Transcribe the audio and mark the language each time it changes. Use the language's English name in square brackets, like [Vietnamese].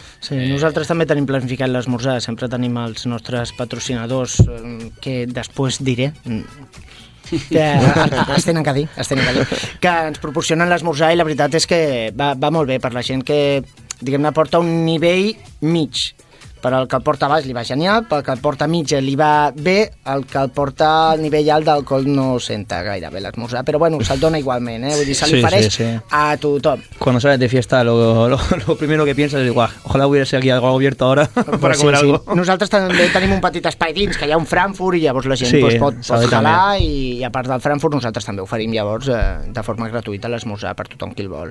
[Catalan] Sí, nosaltres també tenim planificat l'esmorzar, sempre tenim els nostres patrocinadors, que després diré, que es tenen que dir, que ens proporcionen l'esmorzar i la veritat és que va molt bé per la gent que, diguem-ne, porta un nivell mig. Per al que el porta baix li va genial, per al que el porta mig li va bé, el que el porta al nivell alt d'alcohol no senta gaire bé l'esmorzar, però bueno, se'l dona igualment, eh? Vull dir, se li ofereix a tothom. [Spanish] Quan sales de fiesta, lo primero que piensas es igual, ojalá hubiera sido aquí algo abierto ahora para comer algo. [Catalan] Nosaltres també tenim un petit espai dins, que hi ha un Frankfurt, i llavors la gent pot jalar, i a part del Frankfurt nosaltres també oferim llavors de forma gratuïta l'esmorzar per tothom qui el vol.